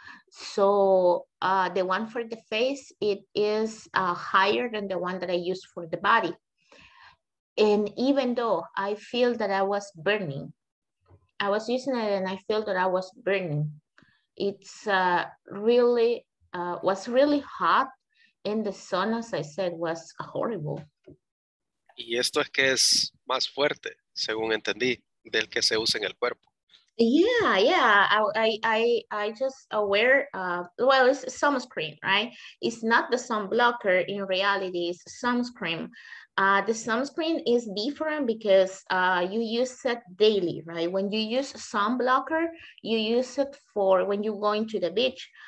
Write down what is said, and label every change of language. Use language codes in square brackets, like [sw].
[en] So the one for the face, it is higher than the one that I use for the body. And even though I feel that I was burning, I was using it and I feel that I was burning. It's was really hot. And the sun, as I said, was horrible. [es] Y esto es que es más fuerte, según entendí, del que se usa en el cuerpo. [en] Yeah, I just aware, well, it's sunscreen, right? It's not the sunblocker, in reality, it's sunscreen. The sunscreen is different because you use it daily, right? When you use sunblocker, you use it for when you're going to the beach.